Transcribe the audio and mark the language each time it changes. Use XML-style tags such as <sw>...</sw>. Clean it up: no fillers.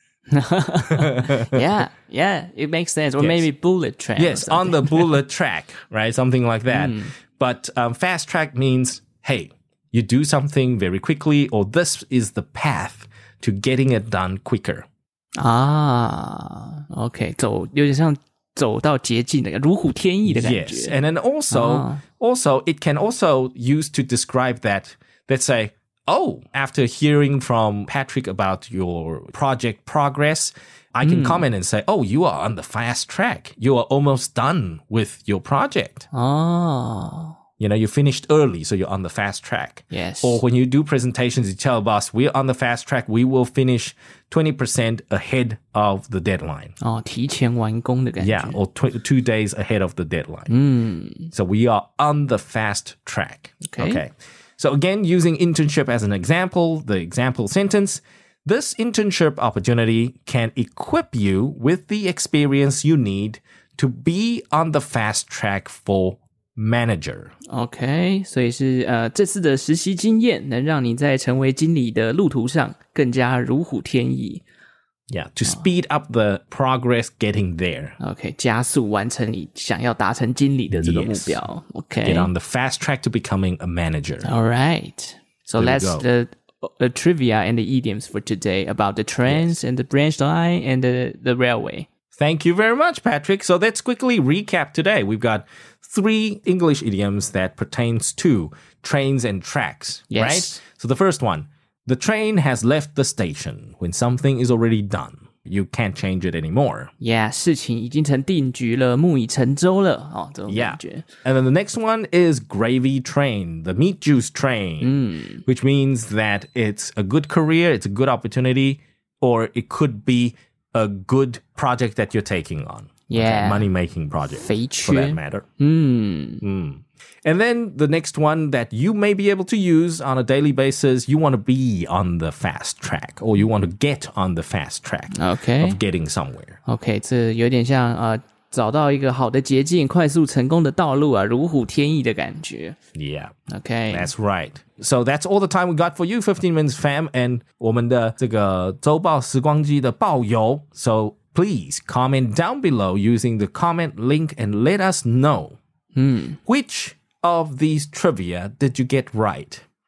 <en>Yeah. It makes sense. Or maybe bullet train. Yes, on the bullet track, right? Something like that. Mm. But fast track means, hey, you do something very quickly, or this is the path to getting it done quicker. Ah, okay.</en> <zh>So, 走到捷径的,如虎添翼的感觉.</zh> <en>Yes, and then also, it can also use to describe that, let's say, oh, after hearing from Patrick about your project progress, I can comment and say, oh, you are on the fast track. You are almost done with your project. You know, you finished early, so you're on the fast track. Yes. Or when you do presentations, you tell a boss, we're on the fast track, we will finish 20% ahead of the deadline.</en> <zh>Oh, 提前完工的感觉.</zh> <en>Yeah, or two days ahead of the deadline. Mm. So we are on the fast track. Okay. So again, using internship as an example, the example sentence, this internship opportunity can equip you with the experience you need to be on the fast track for manager.</en> <zh>Okay, 所以是这次的实习经验能让你在成为经理的路途上更加如虎添翼.</zh> <en>Yeah, to speed up the progress getting there.</en> <zh>Okay, 加速完成你想要达成经理的这个目标.</zh> <en>Yes. Okay. Get on the fast track to becoming a manager. All right. So that's the trivia and the idioms for today about the trains and the branch line and the railway. Thank you very much, Patrick. So let's quickly recap today. We've got three English idioms that pertains to trains and tracks, right? So the first one, the train has left the station when something is already done. You can't change it anymore.</en> <zh>Yeah, 事情已经成定局了,木已成舟了,这种感觉。</zh> <en>Yeah. And then the next one is gravy train, the meat juice train, which means that it's a good career, it's a good opportunity, or it could be a good project that you're taking on. Yeah. Money-making project,</en> <zh>肥缺.</zh> <en>For that matter. And then the next one that you may be able to use on a daily basis, you want to be on the fast track, or you want to get on the fast track of getting somewhere.</en> <zh>Okay, 这有点像 找到一个好的捷径,快速成功的道路啊,如虎添翼的感觉.</zh> <en>Yeah. Okay. That's right. So that's all the time we got for you, 15 Minutes Fam, and</en> <zh>我们的这个周报时光机的报友.</zh> <en>So please comment down below using the comment link and let us know which of these trivia did you get right?</en>